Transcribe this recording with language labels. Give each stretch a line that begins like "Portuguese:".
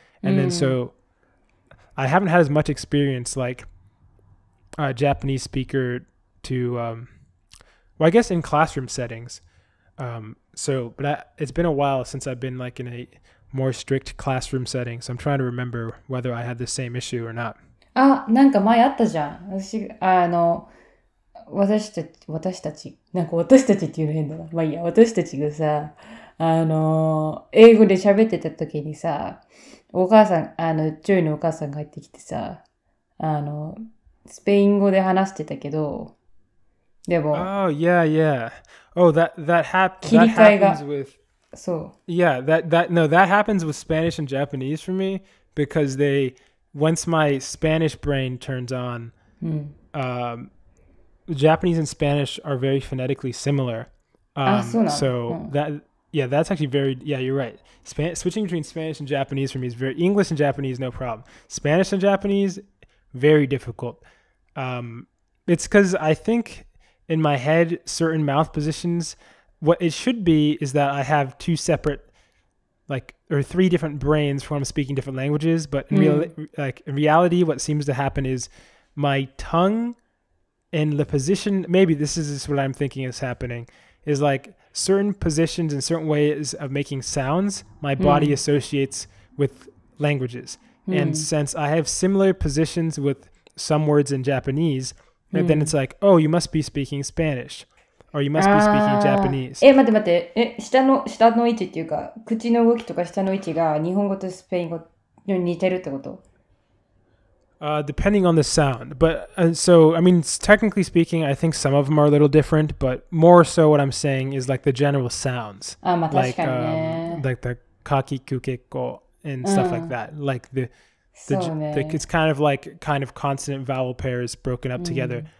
English: And then so I haven't had as much experience like a Japanese speaker to, well, I guess in classroom settings. It's been a while since I've been like in a... more strict classroom setting. So I'm trying to remember whether I had the same issue or not.
Japanese: あ、なんか前あったじゃん。私、あの、私たち、なんか私たちっていうの変だな。まあいいや、私たちがさ、あの、英語で喋ってた時にさ、お母さん、あの、ジョイのお母さんが入ってきてさ、あの、スペイン語で話してたけど、でも、
English: Oh, yeah, yeah. Oh, that happens with... So. Yeah, that happens with Spanish and Japanese for me because they, once my Spanish brain turns on, Japanese and Spanish are very phonetically similar. That's actually very, yeah, you're right. Switching between Spanish and Japanese for me is very, English and Japanese, no problem. Spanish and Japanese, very difficult. It's because I think in my head, certain mouth positions... What it should be is that I have two separate, like, or three different brains for when I'm speaking different languages. But in reality, what seems to happen is my tongue and the position, maybe this is just what I'm thinking is happening, is like certain positions and certain ways of making sounds, my body associates with languages. And since I have similar positions with some words in Japanese, then it's like, oh, you must be speaking Spanish. Or you must be speaking Japanese.
Japanese: 待って待って。下の位置っていうか、口の動きとか下の位置が日本語とスペイン語に似てるってこと？
English: Depending on the sound. But, so, I mean, technically speaking, I think some of them are a little different, but more so what I'm saying is like the general sounds.
Japanese: あ、まあ確かにね。
English: Like the kaki kukeko and stuff like that. Like the it's kind of consonant vowel pairs broken up together.